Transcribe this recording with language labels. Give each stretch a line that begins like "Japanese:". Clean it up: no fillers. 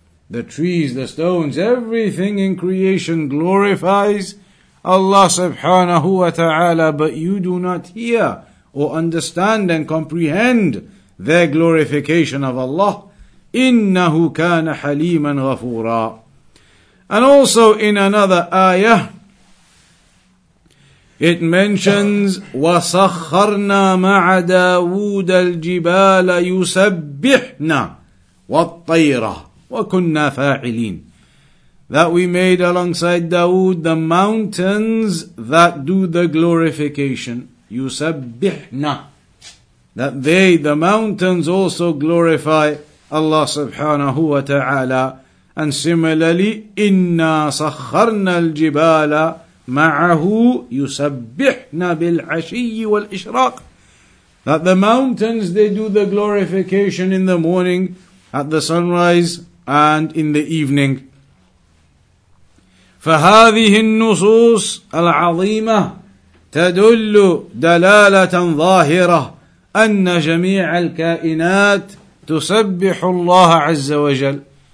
English: The trees, the stones, everything in creation glorifies Allah subhanahu wa ta'ala, but you do not hear or understand and comprehend their glorification of Allah.
Arabic: Innahu kana haliman ghafura.
English: And also in another ayah, it mentions,
Arabic: وَسَخَّرْنَا مَعَ دَاوُودَ الْجِبَالَ يُسَبِّحْنَا وَالطَّيْرَ وَكُنَّا فَاعِلِينَ.
English: That we made alongside Dawood the mountains that do the glorification.
Arabic: يُسَبِّحْنَا.
English: That they, the mountains, also glorify Allah subhanahu wa ta'ala. And similarly,
Arabic: إِنَّا سَخَّرْنَا الْجِبَالَ مَعَهُ يُسَبِّحْنَا بِالْعَشِيِّ وَالْإِشْرَاقِ.
English: That the mountains, they do the glorification in the morning, at the sunrise, and in the evening.
Arabic: فَهَذِهِ النُّصُوصُ الْعَظِيمَةُ تَدُلُّ دَلَالَةً ظَاهِرَةً أَنَّ جَمِيعَ الْكَائِنَاتِ تُسَبِّحُ اللَّهَ عَزَّ وَجَلَّ.